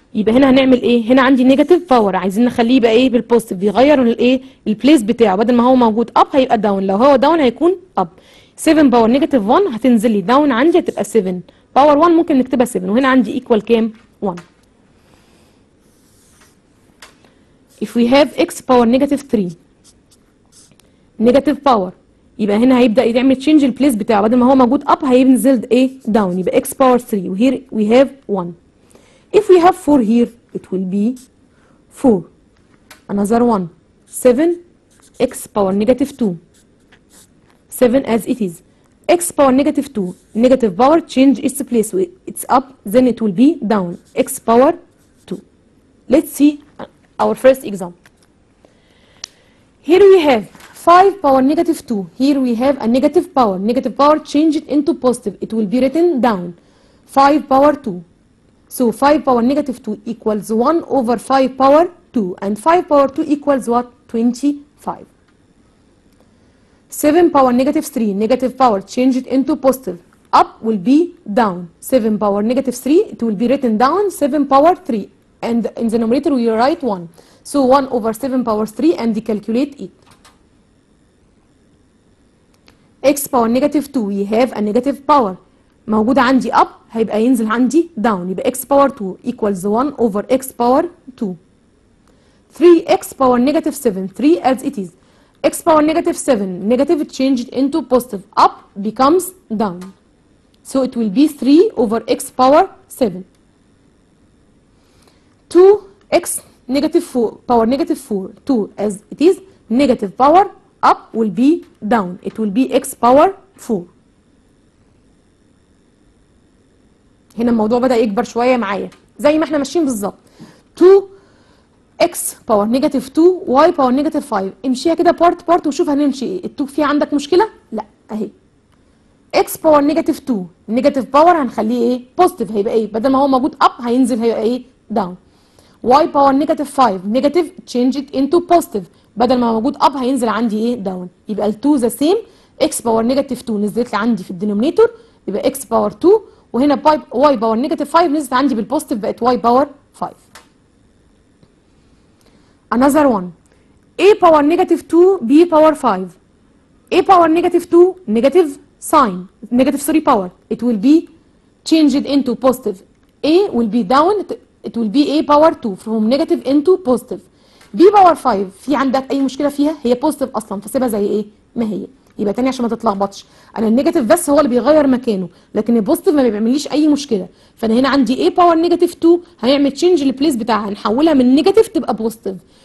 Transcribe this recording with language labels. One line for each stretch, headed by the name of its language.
Arabic: يبقى هنا هنعمل ايه؟ هنا عندي
English: negative power.
Arabic: عايزين نخليه يبقى ايه بالبوستيف. بيغير الايه؟ البليس بتاعه. بدل ما هو موجود up هيبقى down. لو هو down هيكون up.
English: 7 power negative 1
Arabic: هتنزل لي داون عندي هتبقى 7. باور 1 ممكن نكتبها 7، وهنا عندي ايكوال كام؟ 1.
English: If we have x power negative 3 negative power،
Arabic: يبقى هنا هيبدا يعمل تشينج البليس بتاعه. بدل ما هو موجود اب هينزل ايه؟ داون. يبقى
English: x power 3 وهير we have 1. If we have 4 here it will be 4. Another one. 7 x power negative 2. 7 as it is. X power negative 2, negative power change its place. It's up, then it will be down. X power 2. Let's see our first example. Here we have 5 power negative 2. Here we have a negative power. Negative power change it into positive. It will be written down. 5 power 2. So 5 power negative 2 equals 1 over 5 power 2. And 5 power 2 equals what? 25. 7 power negative 3, negative power, change it into positive. Up will be down. 7 power negative 3, it will be written down, 7 power 3. And in the numerator, we write 1. So 1 over 7 power 3, and calculate it. X power negative 2, we have a negative power.
Arabic: موجود عندي up, هيبقى ينزل عندي down. يبقى
English: X power 2 equals 1 over X power 2. 3X power negative 7, 3 as it is. X power negative 7, negative changed into positive, up becomes down. So it will be 3 over X power 7. 2X negative 4, power negative 4, 2 as it is, negative power, up will be down. It will be X power 4.
Arabic: هنا الموضوع بدأ يكبر شوية معايا زي ما احنا ماشيين بالظبط.
English: 2 x power negative 2 y power negative 5.
Arabic: امشيها كده بارت بارت وشوف هنمشي ايه. التو في عندك مشكله؟ لا اهي.
English: x power negative 2 negative power
Arabic: هنخليه ايه؟
English: positive.
Arabic: هيبقى ايه؟ بدل ما هو موجود up هينزل هيبقى ايه؟ down.
English: y power negative 5 negative change it into positive.
Arabic: بدل ما موجود up هينزل عندي ايه؟ down. يبقى التو ذا سيم. x power negative 2 نزلت لي عندي في الدينومينيتور يبقى
English: x power 2،
Arabic: وهنا y power negative 5 نزلت عندي بالبوستيف بقت
English: y power 5. Another one, a power negative 2, b power 5. A power negative 2, negative sign, negative 3 power. It will be changed into positive. A will be down, it will be a power 2, from negative into positive. B power 5,
Arabic: في عندك أي مشكلة فيها؟ هي positive أصلا، فسيبها زي إيه؟ ما هي. يبقى تاني عشان ما تتلخبطش، أنا النيجاتيف بس هو اللي بيغير مكانه، لكن البوزيتيف ما بيعمليش أي مشكلة، فأنا هنا عندي A باور نيجاتيف 2 هنعمل تشينج البليس بتاعها، هنحولها من نيجاتيف تبقى بوزيتيف.